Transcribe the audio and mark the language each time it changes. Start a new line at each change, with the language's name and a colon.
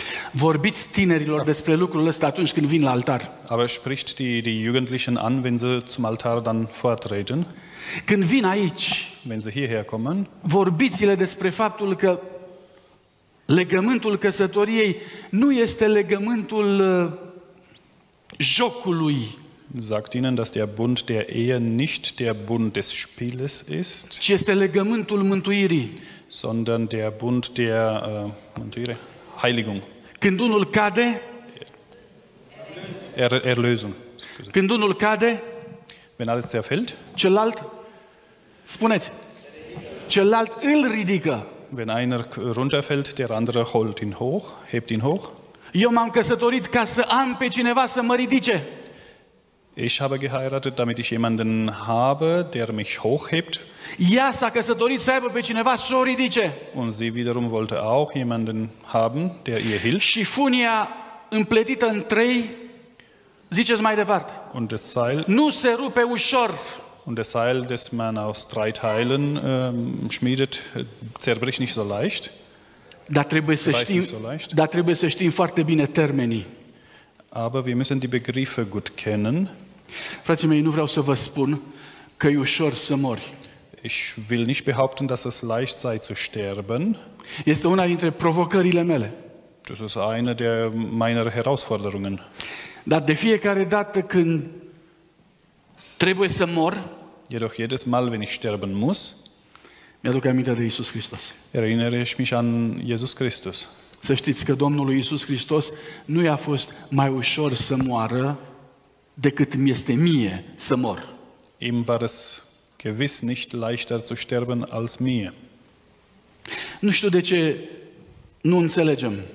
Romanian: vorbiți tinerilor despre lucrul ăsta atunci când vin la altar.
German: Aber spricht die Jugendlichen an, wenn sie zum Altar dann vortreten?
Romanian: Când vin aici,
German: wenn sie hierher kommen,
Romanian: vorbiți-le despre faptul că legământul căsătoriei nu este legământul jocului.
German: Sagt ihnen, dass der Bund der Ehe nicht der Bund des Spieles ist,
Romanian: ci este legământul mântuirii,
German: sondern der Bund der
Romanian: Mântuire,
German: Heiligung.
Romanian: Când unul cade,
German: Erlösung.
Romanian: Când unul cade,
German: wenn alles zerfällt,
Romanian: celălalt, spuneți, celălalt îl ridică.
German: Wenn einer runterfällt, der andere holt ihn hoch, hebt ihn hoch.
Romanian: Eu m-am căsătorit ca să am pe cineva să mă ridice.
German: Ich habe geheiratet, damit ich jemanden habe, der mich hochhebt.
Romanian: Ea s-a căsătorit să aibă pe cineva să o ridice.
German: Und sie wiederum wollte auch jemanden haben, der ihr hilft.
Romanian: Și funia împletită în trei, ziceți mai departe.
German: Und das Seil,
Romanian: nu se rupe ușor.
German: Und das Seil, das man aus drei Teilen schmiedet, zerbricht nicht so leicht.
Romanian: Dar trebuie să știm, foarte bine termenii.
German: Aber wir müssen die Begriffe gut kennen.
Romanian: Frații mei, nu vreau să vă spun că e ușor să mori.
German: Ich will nicht behaupten, dass es leicht sei zu sterben.
Romanian: Este una dintre provocările mele.
German: Das ist eine der meiner Herausforderungen.
Romanian: Dar de fiecare dată când trebuie să mor,
German: jedoch jedes Mal, wenn ich sterben muss,
Romanian: mi-aduc aminte de Iisus Hristos.
German: Erinnere ich mich an Jesus Christus.
Romanian: Să știți că Domnului Iisus Hristos nu i-a fost mai ușor să moară decât mi este mie să mor.
German: Ihm war es gewiss nicht leichter zu sterben als mir.
Romanian: Nu știu de ce nu înțelegem.